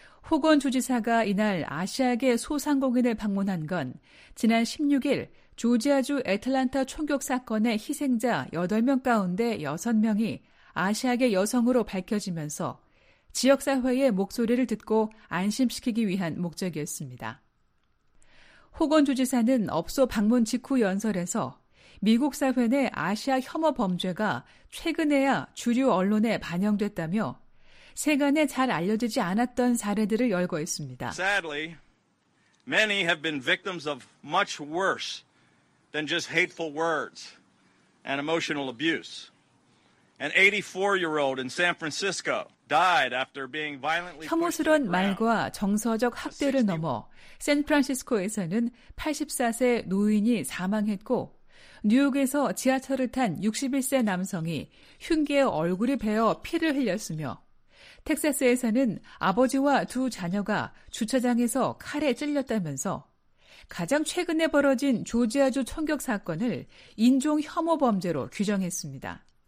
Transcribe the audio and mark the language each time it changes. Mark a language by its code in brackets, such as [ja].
[ko] 호건 주지사가 이날 아시아계 소상공인을 방문한 건 지난 16일 조지아주 애틀란타 총격 사건의 희생자 8명 가운데 6명이 아시아계 여성으로 밝혀지면서 지역사회의 목소리를 듣고 안심시키기 위한 목적이었습니다. 호건 주지사는 업소 방문 직후 연설에서 미국 사회 내 아시아 혐오 범죄가 최근에야 주류 언론에 반영됐다며 세간에 잘 알려지지 않았던 사례들을 열거했습니다. [en] Sadly, many have been victims of much worse than just hateful words and emotional abuse. An 84-year-old in San Francisco died after being violently pushed. [ko] 혐오스러운 말과 정서적 학대를 넘어 샌프란시스코에서는 84세 노인이 사망했고 뉴욕에서 지하철을 탄 61세 남성이 흉기에 얼굴을 베어 피를 흘렸으며 텍사스에서는 아버지와 두 자녀가 주차장에서 칼에 찔렸다면서 가장 최근에 벌어진 조지아주 총격 사건을 인종 혐오 범죄로 규정했습니다.